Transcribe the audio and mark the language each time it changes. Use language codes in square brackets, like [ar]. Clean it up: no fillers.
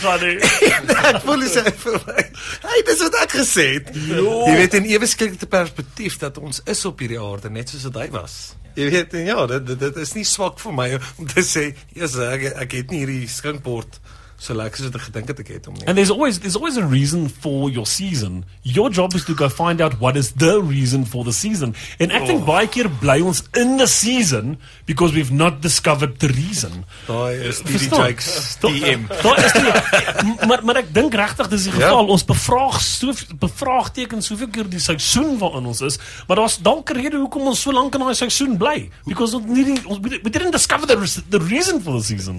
[af] Ek voel is hy verby. Hey, dis wat ek gesê het. Jy weet, in eweskikte perspektief, dat ons is op hierdie aarde, net soos wat hy was. Jy weet, en ja, dit is nie swak vir my, om te sê, yes, ek het nie hierdie skinkbord, so lekker soos wat ek gedink het ek het om nie. [en] And there's always a reason for your season. Your job is to go find out what is the reason for the season. And I think [af] baie keer bly ons [en] in the season because we've not discovered the reason. [af] Daai is die Jake's DM. Maar ek dink regtig dis die geval. Ons bevraagteken soveel keer die seisoen waarin ons is, maar daar's dalk 'n rede hoekom ons so lank in daai seisoen bly. [en] Because we didn't discover the reason for the season.